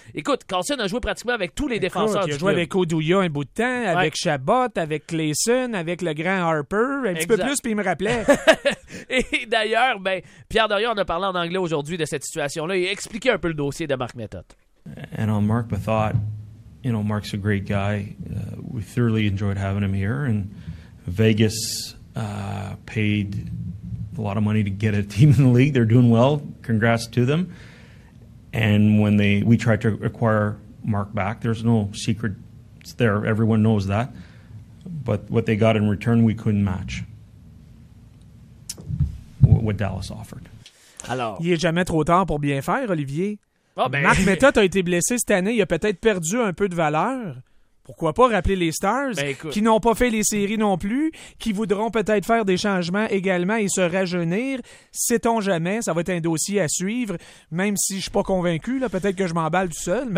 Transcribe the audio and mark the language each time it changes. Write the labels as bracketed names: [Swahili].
[French] Écoute, Carlson a joué pratiquement avec tous les défenseurs. Il a joué avec Oduya un bout de temps, ouais. Avec Chabot, avec Clayson, avec le grand Harper. Un petit peu plus, puis il me rappelait. Et d'ailleurs, ben, Pierre Dorion en a parlé en anglais aujourd'hui de cette situation-là. Il a expliqué un peu le dossier de Marc Méthode. [English] And on Marc Méthode, you know, Marc's a great guy. We thoroughly enjoyed having him here. And Vegas paid a lot of money to get a team in the league. They're doing well. Congrats to them. And when we tried to acquire Mark back, there's no secret there. Everyone knows that. But what they got in return, we couldn't match what Dallas offered. [French] Alors, il est jamais trop tard pour bien faire, Olivier. Oh ben... Mark Mettott a été blessé cette année. Il a peut-être perdu un peu de valeur. Pourquoi pas rappeler les Stars, ben écoute, qui n'ont pas fait les séries non plus, qui voudront peut-être faire des changements également et se rajeunir. Sait-on jamais, ça va être un dossier à suivre, même si je suis pas convaincu, là, peut-être que je m'emballe tout seul.